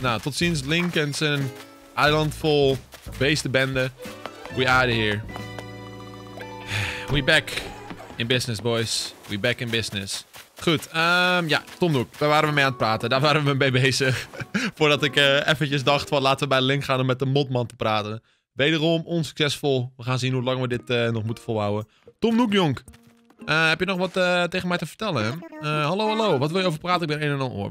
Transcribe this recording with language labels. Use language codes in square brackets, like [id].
[nl] Nou, tot ziens Link en zijn eiland vol beestenbende. [en] We out of here. We back in business, boys. We back in business. [nl] Goed, ja, Tom Nook, daar waren we mee aan het praten. Daar waren we mee bezig. Voordat ik eventjes dacht van laten we bij Link gaan om met de modman te praten. Wederom onsuccesvol. We gaan zien hoe lang we dit nog moeten volhouden. Tom Nook, jonk. Heb je nog wat tegen mij te vertellen? Hallo, hallo. Wat wil je over praten? Ik ben een en ander oor.